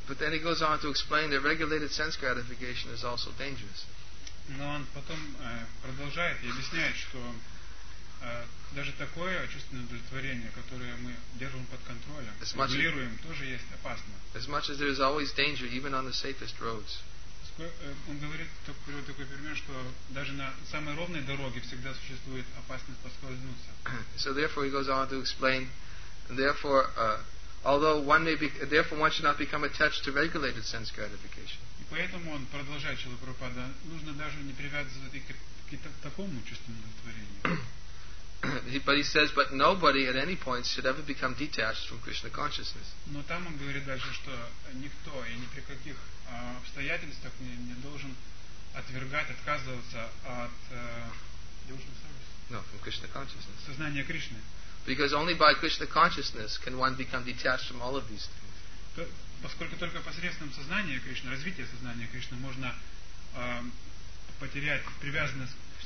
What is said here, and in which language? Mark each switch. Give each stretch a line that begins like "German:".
English: But then he goes on to explain that regulated sense gratification is also dangerous.
Russian: Но он потом продолжает и объясняет, что даже такое чувственное удовлетворение, которое мы держим под контролем, регулируем, тоже есть опасно.
English: As much as there is always danger, even on the safest roads. As
Russian: он говорит такой пример, что даже на самой ровной дороге всегда существует опасность поскользнуться.
English: So therefore he goes on to explain, therefore although one may be, therefore one should not become attached to regulated sense gratification.
Russian: И поэтому он продолжает, Шрила Прабхупада, нужно даже не привязываться к такому чувственному удовлетворению.
English: But he says, but nobody at any point should ever become detached from Krishna consciousness.
Russian: Но там он говорит дальше, что никто и ни при каких обстоятельствах не должен отвергать, отказываться от
English: from Krishna consciousness.
Russian: Сознания Кришны.
English: Because only by Krishna consciousness can one become detached from all of these things.
Russian: Поскольку только посредством сознания Кришны, развития сознания Кришны, можно потерять привязанность.